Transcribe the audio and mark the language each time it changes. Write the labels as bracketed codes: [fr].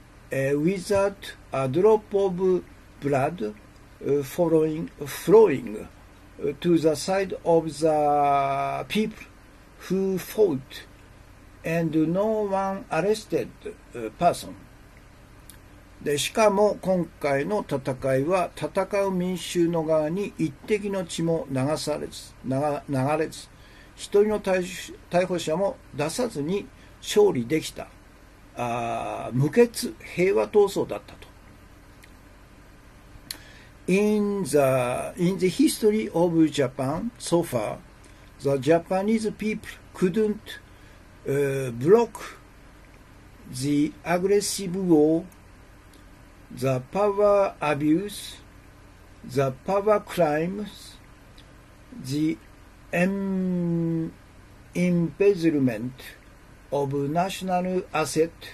[en] without a drop of blood flowing to the side of the people who fought and no one arrested person. [ja] で、しかも今回の戦いは戦う民衆の側に一滴の血も流されず、流れず、一人の逮捕者も出さずに勝利できた無血平和闘争だったと。 [en] In the history of Japan so far, the Japanese people couldn't block the aggressive war, the power abuse, the power crimes, the embezzlement of national asset